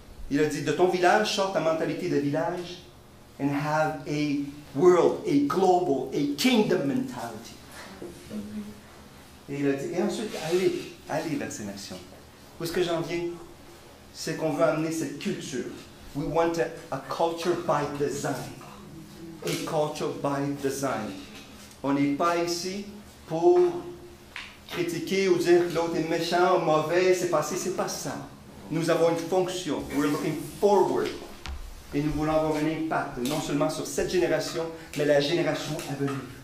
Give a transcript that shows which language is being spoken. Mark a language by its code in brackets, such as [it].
[fr] Il a dit « de ton village, sors ta mentalité de village [en] and have a world, a global, a kingdom mentality ». [fr] Et il a dit, et ensuite, allez vers ces nations. Où est-ce que j'en viens? C'est qu'on veut amener cette culture. [en] We want a culture by design. A culture by design. [fr] On n'est pas ici pour critiquer ou dire que l'autre est méchant ou mauvais, c'est passé, c'est pas ça. Nous avons une fonction. [en] We're looking forward. [fr] Et nous voulons avoir un impact, non seulement sur cette génération, mais la génération à venir.